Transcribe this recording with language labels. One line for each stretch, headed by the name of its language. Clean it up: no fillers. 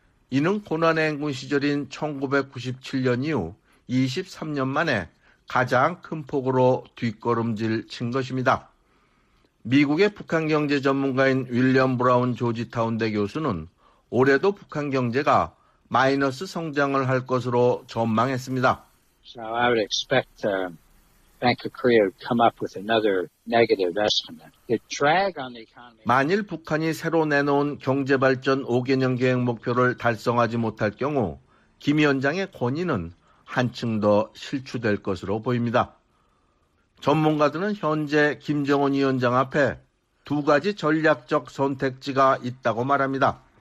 Korean: 이는 고난의 행군 시절인 1997년 이후 23년 만에 가장 큰 폭으로 뒷걸음질 친 것입니다. 미국의 북한 경제 전문가인 윌리엄 브라운 조지타운대 교수는 올해도 북한 경제가 마이너스 성장을 할 것으로 전망했습니다.
English: So I would expect Bank of Korea to come up with another negative estimate. The drag on the economy.
Korean: 만일 북한이 새로 내놓은 경제 발전 5개년 계획 목표를 달성하지 못할 경우 김 위원장의 권위는 한층 더 실추될 것으로 보입니다. 전문가들은 현재 김정은 위원장 앞에 두 가지 전략적 선택지가 있다고 말합니다.